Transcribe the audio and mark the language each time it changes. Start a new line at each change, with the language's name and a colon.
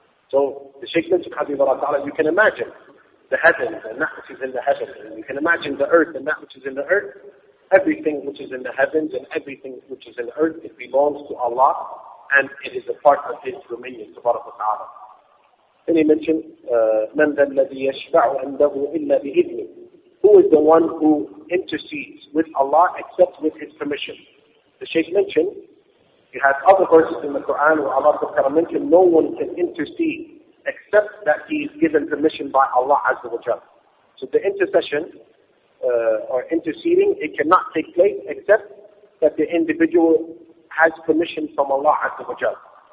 English: So the Shaykh mentioned, Habibu Allah Ta'ala, you can imagine the heavens and that which is in the heavens, and you can imagine the earth and that which is in the earth. Everything which is in the heavens and everything which is in the earth, it belongs to Allah, and it is a part of His dominion, subhanahu wa ta'ala.
Arabic: Then he mentioned, مَنْ ذَا الَّذِي يَشْفَعُ عَنْدَهُ إِلَّا بِإِذْنِهِ.
English: Who is the one who intercedes with Allah except with His permission? The Shaykh mentioned, you have other verses in the Quran where Allah subhanahu wa ta'ala mentioned, no one can intercede except that he is given permission by Allah Azza wa Jalla. So the intercession, or interceding, it cannot take place except that the individual has permission from Allah Azza wa Jalla.